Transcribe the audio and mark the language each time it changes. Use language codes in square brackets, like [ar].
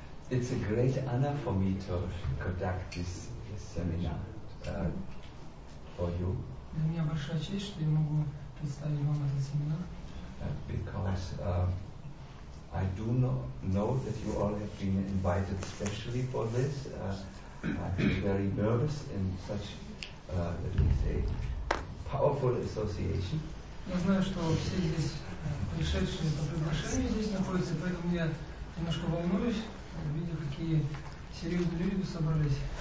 [en] It's a great honor for me to conduct this seminar for you. [ru] Для меня большая честь, что я могу представить вам этот семинар. [en] Because I do know that you all have been invited specially for this. I feel very nervous in such, let me say, powerful association. [ru] Я знаю, что все здесь пришедшие по приглашению здесь находятся, поэтому я немножко волнуюсь. Видя, какие серьезные люди собрались.